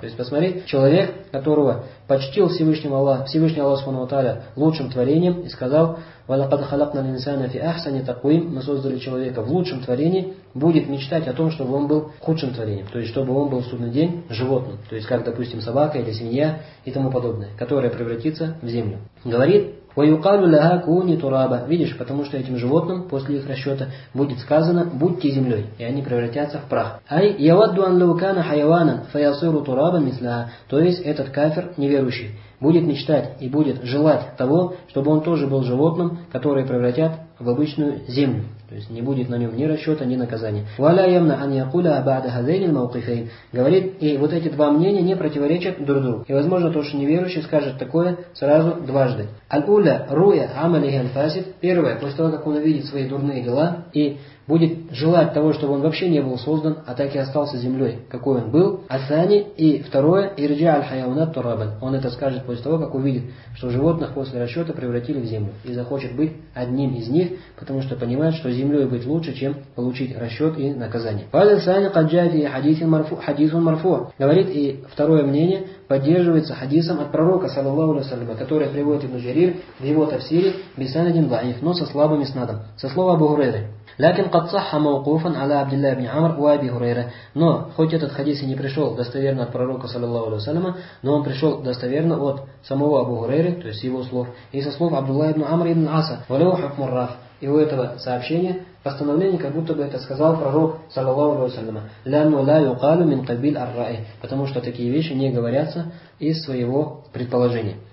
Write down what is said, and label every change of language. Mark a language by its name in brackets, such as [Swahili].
[Russian] То есть, посмотри, человек, которого почтил Всевышний Аллах Субхану ва Тааля лучшим творением и сказал, [Arabic] وَلَقَدْ خَلَقْنَا الْإِنسَانَ فِي أَحْسَنِ تَقْوِيمٍ. [Russian] Мы создали человека в лучшем творении, будет мечтать о том, чтобы он был худшим творением, то есть чтобы он был в судный день животным, то есть как, допустим, собака или свинья и тому подобное, которое превратится в землю. Говорит, [Arabic] وَيُقَالُ لَهَا كُونِ تُرَابًا. [Russian] Видишь, потому что этим животным после их расчета будет сказано, будьте землей, и они превратятся в прах. [Arabic] أي يَوَدُّ أَنْ لَوْ كَانَ حَيَوَانًا فَيَصِيرُ تُرَابًا مِثْلَهَا. [Russian] То есть этот кафир неверующий будет мечтать и будет желать того, чтобы он тоже был животным, которое превратят в обычную землю. То есть не будет на нем ни расчета, ни наказания. [Arabic] Валя ямна ан якуля абаада хазейнин маукифейн. [Russian] Говорит, и вот эти два мнения не противоречат друг другу. И возможно, то, что неверующий скажет такое сразу дважды. [Arabic] Аль-уля руя амали ген фасид. [Russian] Первое, после того, как он увидит свои дурные дела и будет желать того, чтобы он вообще не был создан, а так и остался землей, какой он был. Асани. И второе, [Arabic] ирджа аль-хайаунат турабан. [Russian] Он это скажет после того, как увидит, что животных после расчета превратили в землю. И захочет быть одним из них, потому что понимает, что землей быть лучше, чем получить расчет и наказание. [Arabic] Валисани каджати хадисун марфу. [Russian] Говорит, и второе мнение поддерживается хадисом от пророка, саллаллаху алейхи ва саллям, который приводит Ибн Джарир в его тафсире [Arabic] бисанадин даиф, [Russian] но со слабым иснадом. Со слова Абу Хурайры. [Arabic] لكن قد صح موقوفا على عبد الله بن عمر وابي هريره. [Russian] Но хоть этот хадис и не пришел достоверно от пророка саллаллаху алейхи ва саллям, но он пришел достоверно от самого Абу Хурайры, то есть его слов, и со слов Абдуллах ибн Амра ибн Аса. [Arabic] Валяу хукму раф. [Russian] И у этого сообщения постановление, как будто бы это сказал пророк саллаллаху алейхи ва саллям. [Arabic] Ляну ла юкалу мин кабил ар-раи. [Russian] Потому что такие вещи не говорятся из своего предположения.